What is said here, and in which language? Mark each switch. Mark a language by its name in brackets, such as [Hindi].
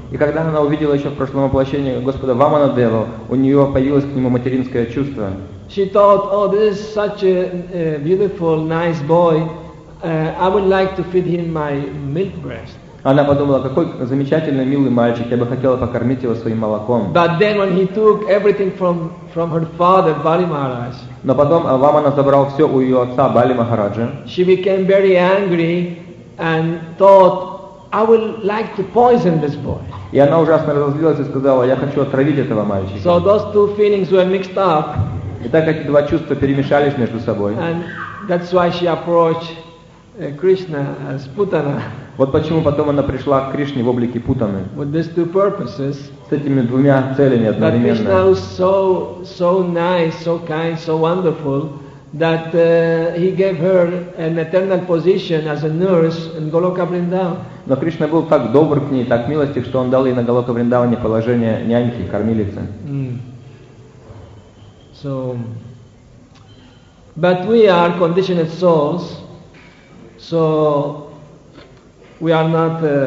[Russian] И когда она увидела еще в прошлом воплощении Господа Ваманадеву, у нее появилось к нему материнское чувство. [English] She thought, oh, this is such a beautiful, nice boy. I would like to feed him my milk breast. [Russian] Она подумала, какой замечательный, милый мальчик, я бы хотела покормить его своим молоком. [English] But then when he took everything from her father, Bali Maharaj. [Russian] Но потом Вамана забрал все у ее отца, Бали Махараджа. [English] She became very angry and thought, I would like to poison this boy. [Russian] И она ужасно разозлилась и сказала, я хочу отравить этого мальчика. [English] So those two feelings were mixed up. [Russian] И так эти два чувства перемешались между собой. [English] And that's why she approached Krishna as Putana. [Russian] Вот почему потом она пришла к Кришне в облике Путаны. [English] With these two purposes, [Russian] с этими двумя целями одновременно. [English] That Krishna was so nice, so kind, so wonderful, that he gave her an eternal position as a nurse in Goloka Vrindavan. [Russian] Но Кришна был так добр к ней, так милостив, что он дал ей на Голока Вриндаване положение няньки, кормилицы. [English] So, but we are conditioned souls, so we are not